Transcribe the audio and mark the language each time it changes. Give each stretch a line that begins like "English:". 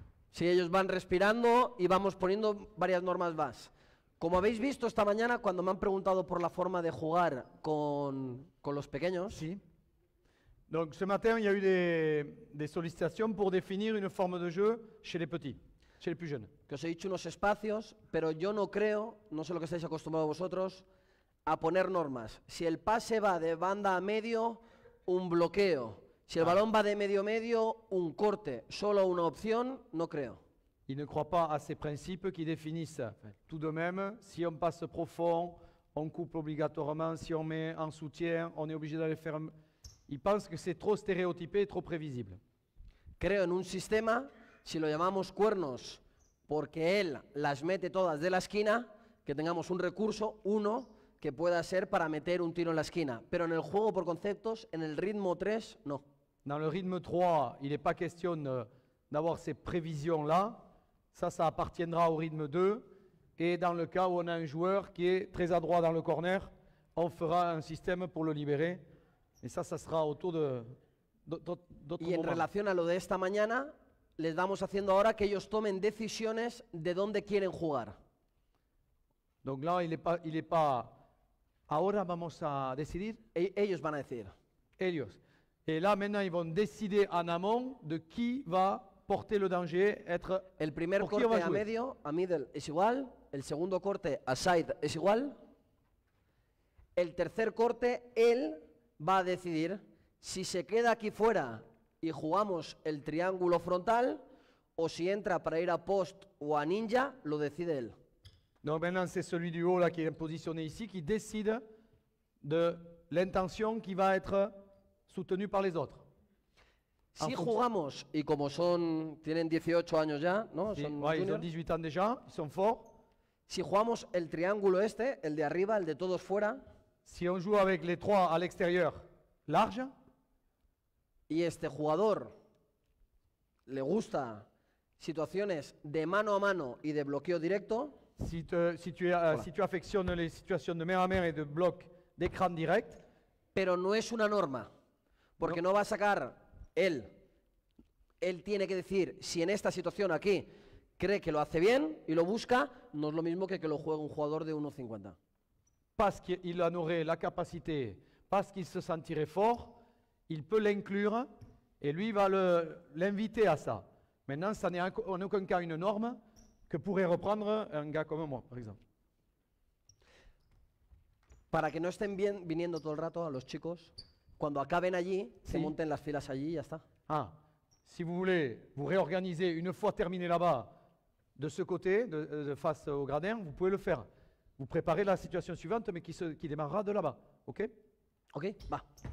Spanish: Si ellos van respirando y vamos poniendo varias normas más. Como habéis visto esta mañana, cuando me han preguntado por la forma de jugar con los pequeños. Sí.
French: Donc, ce matin, il y a eu des sollicitations pour définir une forme de jeu chez les petits, chez les plus jeunes.
Spanish: Que os he dicho unos espacios, pero yo no creo, no sé lo que estáis acostumbrados vosotros, a poner normas. Si el pase va de banda a medio, un bloqueo. Si el balón va de medio a medio, un corte, solo una opción, no creo.
French: Il ne croit pas à ces principes qui définissent. Tout de même, si on passe profond, on coupe obligatoirement, si on met en soutien, on est obligé d'aller faire un... Ils pensent que c'est trop stéréotypé et trop prévisible.
Spanish: Creo en un sistema, si lo llamamos cuernos, porque él las mete todas de la esquina, que tengamos un recurso, uno, que pueda ser para meter un tiro en la esquina. Pero en el juego por conceptos, en el ritmo 3, no.
French: Dans le rythme 3, il n'est pas question d'avoir ces prévisions-là. Ça appartiendra au rythme 2. Et dans le cas où on a un joueur qui est très adroit dans le corner, on fera un système pour le libérer. Et ça sera autour de...
Spanish: Y en relación a lo de esta mañana, les vamos haciendo ahora que ellos tomen decisiones de dónde quieren jugar.
French: Donc là, il est pas.
Spanish: Ahora vamos a decidir. Ellos van a decidir. Ellos.
French: Et là, maintenant, ils vont décider en amont de qui va porter le danger, être.
Spanish: El primer corte a medio, a middle, es igual. El segundo corte a side es igual. El tercer corte, él va a decidir. Si se queda aquí fuera y jugamos el triángulo frontal, o si entra para ir a post o a ninja, lo decide él.
French: Donc maintenant c'est celui du haut là qui est positionné ici qui décide de l'intention qui va être soutenue par les autres.
Spanish: Si jugamos y como son tienen 18 años ya, ¿no?
French: Sí, ils ont 18 ans déjà, ils sont forts.
Spanish: Si jugamos el triángulo este, el de arriba, el de todos fuera.
French: Si on joue avec les trois à l'extérieur, large.
Spanish: Y este jugador le gusta situaciones de mano a mano y de bloqueo directo.
French: Si tu affectionnes les situations de main à main et de bloc d'écran direct.
Spanish: Pero no es una norma, porque no va a sacar él. Él tiene que decir si en esta situación aquí cree que lo hace bien y lo busca, no es lo mismo que lo juegue un jugador de 1,50.
French: Parce qu'il en aurait la capacité, parce qu'il se sentirait fort. Il peut l'inclure et lui va l'inviter à ça. Maintenant, ça n'est en aucun cas une norme que pourrait reprendre un gars comme moi, par exemple.
Spanish: Para que no estén bien viniendo todo el rato a los chicos, cuando acaben allí, se monten las filas allí y ya está.
French: Ah, si vous voulez vous réorganiser une fois terminé là-bas, de ce côté, de face au gradin, vous pouvez le faire. Vous préparez la situation suivante, mais qui démarrera de là-bas, ok? Ok, va.